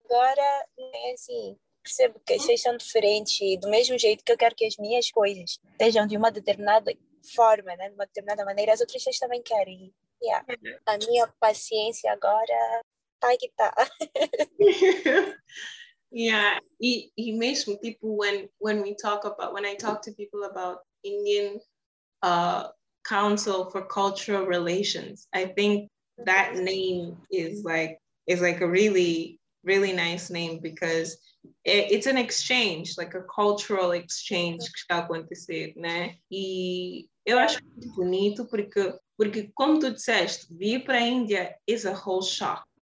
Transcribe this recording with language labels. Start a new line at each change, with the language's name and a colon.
Portuguese: Agora, é assim, percebo que as coisas são diferentes, do mesmo jeito que eu quero que as minhas coisas estejam de uma determinada forma, né? De uma determinada maneira, as outras coisas também querem. Yeah. A minha paciência agora tá que tá.
English: Yeah.
Portuguese: E mesmo, tipo,
English: when I talk to people about Indian Council for Cultural Relations, I think that name is like a really, really nice name, because it's an exchange, like a cultural exchange
Portuguese: que está acontecendo, né? E eu acho muito bonito porque como tu disseste, vir para a Índia
English: is a whole shock.